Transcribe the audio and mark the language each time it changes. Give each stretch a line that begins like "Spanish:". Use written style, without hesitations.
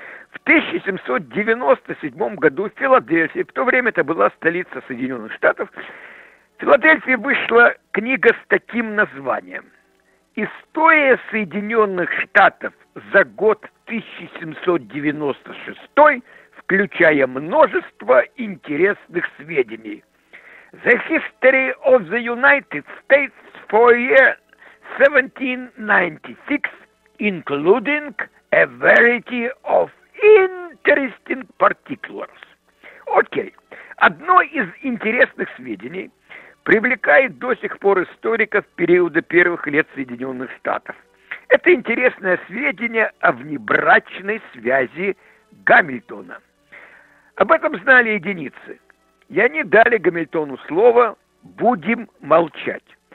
Russian: В 1797 году в Филадельфии, в то время это была столица Соединенных Штатов, в Филадельфии вышла книга с таким названием. «История Соединенных Штатов за год 1796, включая множество интересных сведений».
English: The History of the United States for year 1796, including a variety of interesting particulars.
Russian: Окей. Одно из интересных сведений привлекает до сих пор историков периода первых лет Соединенных Штатов. Это интересное сведение о внебрачной связи Гамильтона. Об этом знали единицы. И они дали Гамильтону слово «будем молчать».